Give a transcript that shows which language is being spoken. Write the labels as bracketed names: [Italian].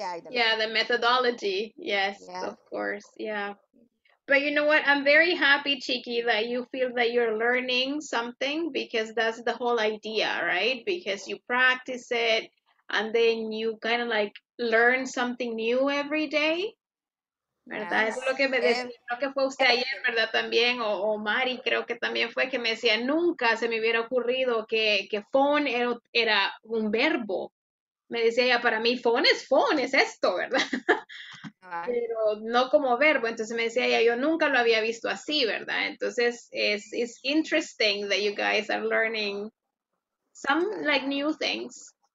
[English] The methodology. Yes. Yeah. Of course. Yeah. But you know what? I'm very happy, Chiqui, that you feel that you're learning something because that's the whole idea, right? Because you practice it and then you kind of like learn something new every day. [Spanish] ¿Verdad? [English] Yes. [Spanish] Eso es lo que me decía. Creo que fue usted ayer, ¿verdad? También, o Mari, creo que también fue que me decía, nunca se me hubiera ocurrido que phone era un verbo. Me decía ella, para mí phone, es esto, ¿verdad? Pero no como verbo, entonces me decía ella, yo nunca lo había visto así, ¿verdad? Entonces, [English] it's interesting that you guys are learning some, like, new things.